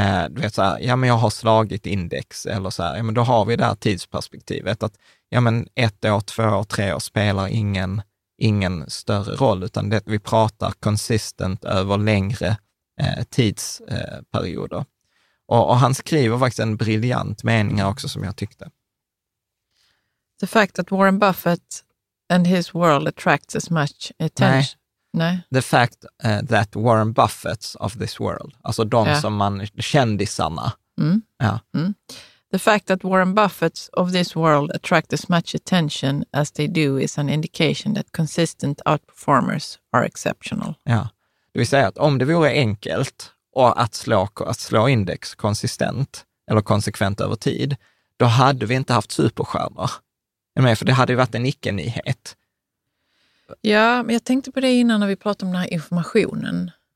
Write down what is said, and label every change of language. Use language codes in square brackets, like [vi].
[sv] du vet så här, ja men jag har slagit index eller så här, ja men då har vi det här tidsperspektivet att ja men ett år, två år, tre år spelar ingen större roll utan det vi pratar consistent över längre tidsperioder. Och han skriver faktiskt en briljant mening också som jag tyckte. [en] The fact that Warren Buffett and his world attracts as much attention. No. The fact that Warren Buffett's of this world, [sv] alltså de som man kändisarna. Mm. Ja. Mm. [en] The fact that Warren Buffett's of this world attract as much attention as they do is an indication that consistent outperformers are exceptional. [sv] Ja. Det vill säga att om det vore enkelt och att slå index konsistent eller konsekvent över tid, då hade vi inte haft superstjärnor. Men för det hade ju varit en icke-nyhet. Ja, men jag tänkte på det innan när vi pratade om den här informationen.